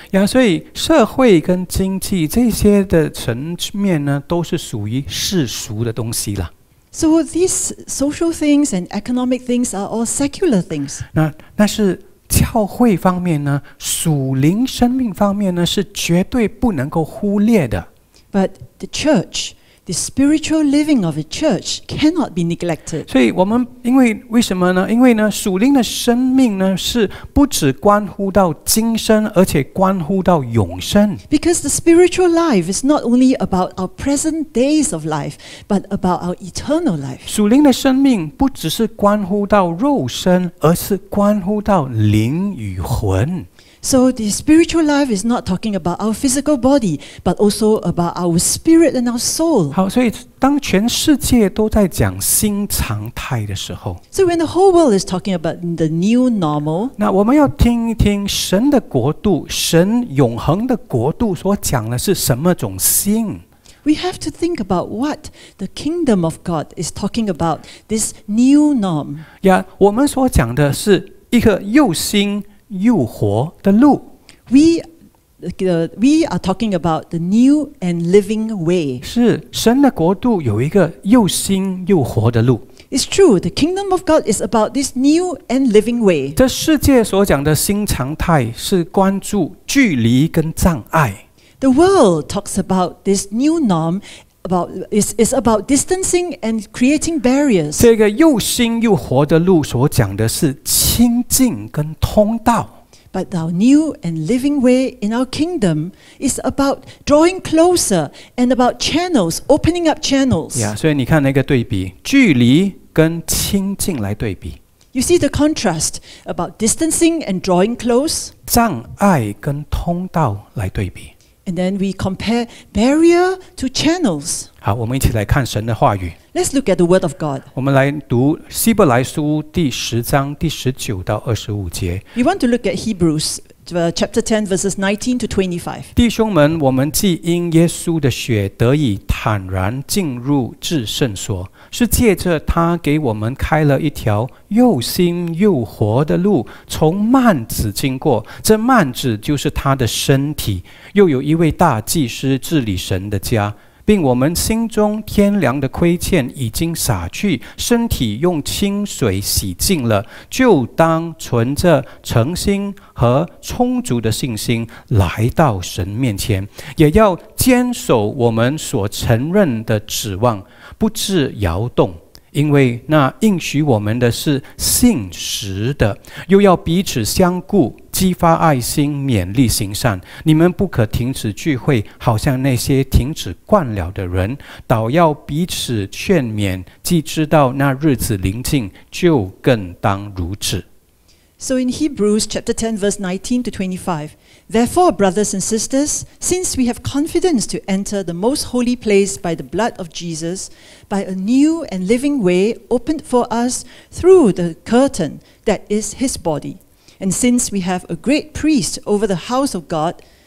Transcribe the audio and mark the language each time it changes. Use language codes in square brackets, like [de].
[zh] Yeah, 所以社会跟经济这些的层面呢，都是属于世俗的东西了。 [en] So these social things and economic things are all secular things. [zh] 那是教会方面呢，属灵生命方面呢，是绝对不能够忽略的。 [en] But the church, the spiritual living of a church cannot be neglected. [zh] 所以我们为什么呢？因为呢，属灵的生命呢是不只关乎到今生，而且关乎到永生。 [en] Because the spiritual life is not only about our present days of life, but about our eternal life. [zh] 属灵的生命不只是关乎到肉身，而是关乎到灵与魂。 [en] So the spiritual life is not talking about our physical body, but also about our spirit and our soul. [zh] 好，所以当全世界都在讲新常态的时候， [en] So when the whole world is talking about the new normal, [zh] 那我们要听一听神的国度，神永恒的国度所讲的是什么种新。 [en] We have to think about what the kingdom of God is talking about, this new norm. [zh] Yeah, 我们所讲的是一个又新又活的路。 [en] We are talking about the new and living way. [zh] 是神的国度有一个又新又活的路。 [en] It's true, the kingdom of God is about this new and living way. [zh] 这世界所讲的新常态是关注距离跟障碍。 [en] The world talks about this new norm is about distancing and creating barriers. [zh] 这个又新又活的路所讲的是清净跟通道。 [en] But our new and living way in our kingdom is about drawing closer and about channels, opening up channels. [zh] Yeah, 所以你看那个对比，距离跟清净来对比。 [en] You see the contrast about distancing and drawing close. [zh] 障碍跟通道来对比。 [en] And then we compare barrier to channels. [zh] 好，我们一起来看神的话语。 [en] Let's look at the word of God. [zh] 我们来读希伯来书第十章第十九到二十五节。 [en] We want to look at Hebrews chapter 10 verses 19 to 25. [zh] 弟兄们，我们既因耶稣的血得以坦然进入至圣所，是借着他给我们开了一条又新又活的路，从幔子经过。这幔子就是他的身体。又有一位大祭司治理神的家，并我们心中天良的亏欠已经洒去，身体用清水洗净了，就当存着诚心和充足的信心来到神面前，也要坚守我们所承认的指望，不致摇动，因为那应许我们的是信实的。又要彼此相顾，激发爱心，勉励行善。你们不可停止聚会，好像那些停止惯了的人，倒要彼此劝勉，既知道那日子临近，就更当如此。 [en] So in Hebrews chapter 10 verse 19 to 25, Therefore, brothers and sisters, since we have confidence to enter the most holy place by the blood of Jesus, by a new and living way opened for us through the curtain that is his body,And since we have a great priest over the house of God,